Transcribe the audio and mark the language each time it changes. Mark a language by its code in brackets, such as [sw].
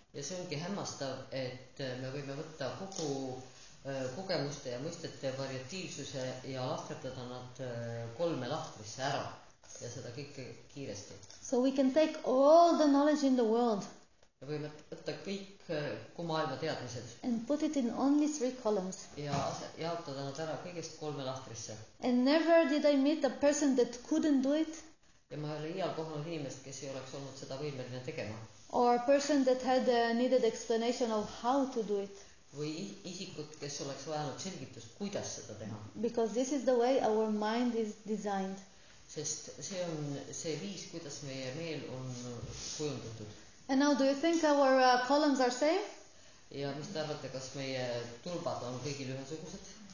[et] Ja see ongi hämmastav, et me võime võtta kogu kogemuste ja mõistete variatiivsuse ja lahterdada nad kolme lahtrisse ära ja seda kõike kiiresti. [en] So we can take all the knowledge in the world. [et] Ja võime võtta kõik kogu maailma teadmised. [en] And put it in only three columns. [et] Ja jaotada nad ära kõigest kolme lahtrisse. [en] And never did I meet a person that couldn't do it. [et] Ja ma ei ole iial kohanud inimest, kes ei oleks olnud seda võimeline tegema. [en] Or a person that had needed explanation of how to do it. [et] Või isikud, kes oleks vajanud selgitust, kuidas seda teha. [en] Because this is the way our mind is designed. [et] Sest see on see viis, kuidas meie meel on kujundatud. [en] And now, do you think our columns are same? [et] Ja mis te arvate, kas meie tulbad on kõigil ühesugused?